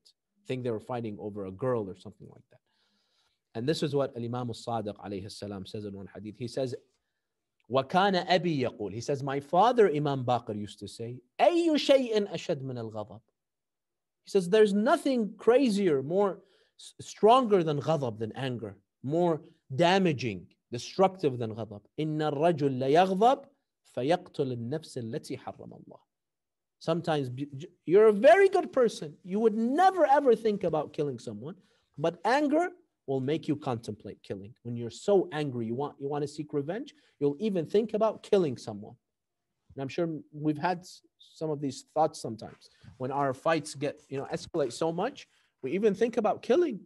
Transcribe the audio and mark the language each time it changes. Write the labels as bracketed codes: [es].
[en] I think they were fighting over a girl or something like that. And this is what Al-Imam al-Sadiq alayhi salam says in one hadith. He says, [ar] وَكَانَ أَبِي يَقُولُ [en] He says, my father Imam Baqir used to say, [ar] أَيُّ شَيْءٍ أَشَدْ مِنَ الْغَضَبِ [en] He says, there's nothing crazier, more stronger than ghadab, than anger, more damaging, destructive than ghadab. [ar] إِنَّ الرَّجُلْ لَيَغْضَبْ فَيَقْتُلِ النَّفْسِ الَّتِي حَرَّمَ اللَّهِ [en] Sometimes you're a very good person. You would never ever think about killing someone, but anger will make you contemplate killing. When you're so angry, you want to seek revenge, you'll even think about killing someone. And I'm sure we've had some of these thoughts sometimes. When our fights get, you know, escalate so much, we even think about killing.